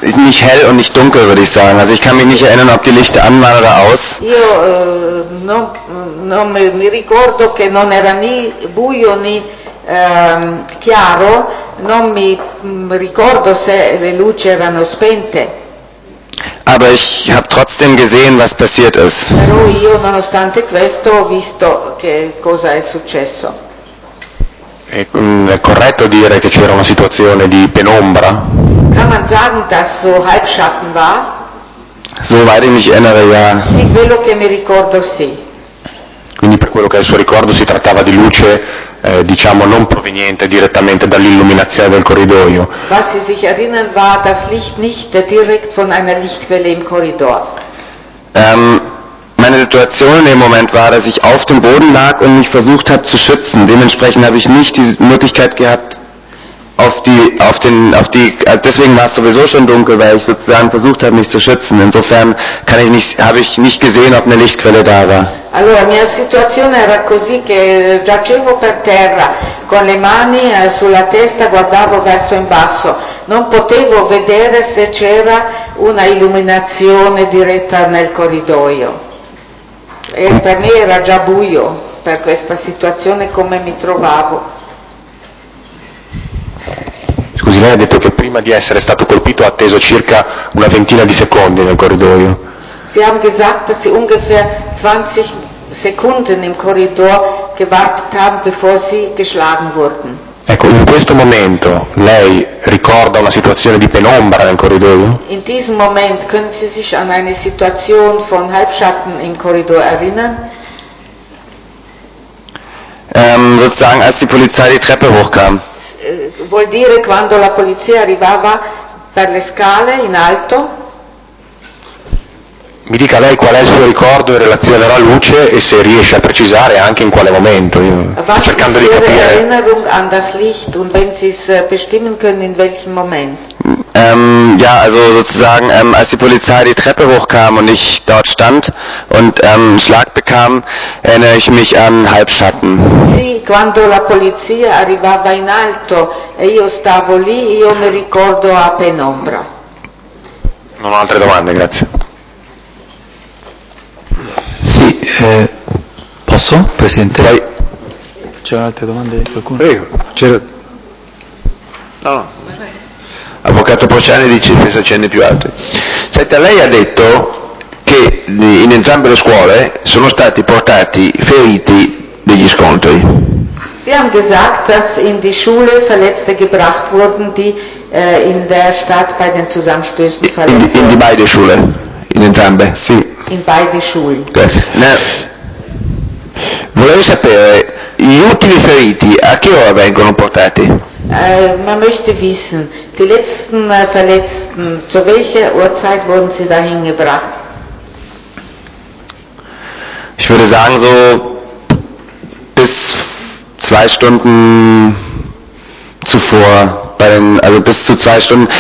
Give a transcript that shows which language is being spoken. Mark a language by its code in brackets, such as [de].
[de] nicht hell und nicht dunkel, würde ich sagen. Also ich kann mich nicht erinnern, ob die Lichter an waren oder aus. [it] Io non mi ricordo che non era né buio né chiaro, non mi ricordo se le luci erano spente. [de] Aber ich habe trotzdem gesehen, was passiert ist. [it] Però io nonostante questo ho visto che cosa è successo. È corretto dire che c'era una situazione di penombra? [de] Kann man sagen, dass so Halbschatten war? Soweit ich mich erinnere, ja. [it] Sì, quello che mi ricordo, sì. Quindi per quello che è il suo ricordo si trattava di luce, diciamo, non proveniente direttamente dall'illuminazione del corridoio. [de] Was Sie sich erinnern, war das Licht nicht direkt von einer Lichtquelle im Korridor. Meine Situation in dem Moment war, dass ich auf dem Boden lag und mich versucht habe zu schützen. Dementsprechend habe ich nicht die Möglichkeit gehabt, deswegen war es sowieso schon dunkel, weil ich sozusagen versucht habe, mich zu schützen. Insofern habe ich nicht gesehen, ob eine Lichtquelle da war. [it] Allora, mia situazione era così che giacevo per terra, con le mani sulla testa guardavo verso in basso. Non potevo vedere se c'era una illuminazione diretta nel corridoio. E per me era già buio per questa situazione come mi trovavo. Scusi, lei ha detto che prima di essere stato colpito ha atteso circa una ventina di secondi nel corridoio. [de] Sie haben gesagt, dass Sie ungefähr 20 Sekunden im Korridor gewartet haben, bevor Sie geschlagen wurden. [it] Ecco, in questo momento lei ricorda una situazione di penombra nel corridoio? [de] In diesem Moment können Sie sich an eine Situation von Halbschatten im Korridor erinnern? Sozusagen, als die Polizei die Treppe hochkam. [it] Vuol dire quando la polizia arrivava per le scale in alto? Mi dica lei qual è il suo ricordo in relazione alla luce e se riesce a precisare anche in quale momento. Io sto cercando di capire. [de] Was ist Ihre Erinnerung an das Licht und wenn Sie es bestimmen können in welchem Moment? Ja, also sozusagen, als die Polizei die Treppe hochkam und ich dort stand und einen Schlag bekam, erinnere ich mich an Halbschatten. [it] Sì, quando la polizia arrivava in alto e io stavo lì, io mi ricordo a penombra. Non ho altre domande, grazie. Sì, posso, Presidente? Vai. C'erano altre domande di qualcuno? C'era. No. Avvocato Pociani dice che si accende più altri. Senta, lei ha detto che in entrambe le scuole sono stati portati feriti degli scontri. [de] Sie haben gesagt, dass in die Schule Verletzte gebracht wurden, die in der Stadt bei den Zusammenstößen verletzt wurden. In die beide Schule, [it] in entrambe. Sì. [de] In beide Schulen. [it] Grazie. Ne, volevo sapere, gli ultimi feriti a che ora vengono portati? [de] Man möchte wissen, die letzten Verletzten, zu welcher Uhrzeit wurden sie dahin gebracht? Ich würde sagen, so bis zwei Stunden zuvor, bis zu zwei Stunden.